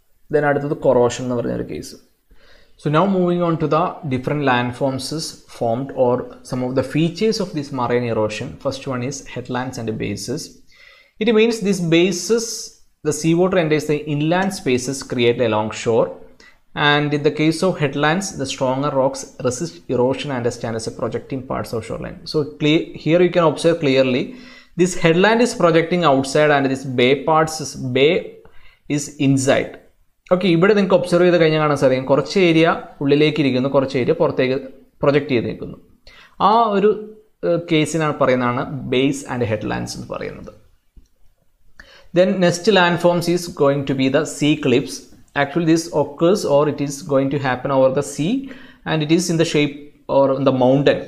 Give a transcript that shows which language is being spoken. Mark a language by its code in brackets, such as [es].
[ml] Then അടുത്തത് corrosion എന്ന് പറഞ്ഞൊരു case. [en] So now moving on to the different land forms formed or some of the features of this marine erosion. First one is headlands and bays. It means this bays the sea water enters the inland spaces create along shore. And in the case of headlands, the stronger rocks resist erosion and stand as a projecting parts of shoreline. So here you can observe clearly, this headland is projecting outside and this bay parts, bay is inside. [ml] Okay, ഇവിടെ നിങ്ങൾക്ക് observe ചെയ്ത് കഴിഞ്ഞാൽ കാണാൻ സാധിക്കും കുറച്ച് area ഉള്ളിലേക്ക് ഇരിക്കുന്നു, കുറച്ച് ഏരിയ പുറത്തേക്ക് പ്രൊജക്ട് ചെയ്ത് നിൽക്കുന്നു. ആ ഒരു കേസിനാണ് പറയുന്നതാണ് ബേസ് ആൻഡ് ഹെഡ്ലാൻഡ്സ് എന്ന് പറയുന്നത്. [en] Then next land forms is going to be the sea cliffs. Actually this occurs or it is going to happen over the sea and it is in the shape or in the mountain.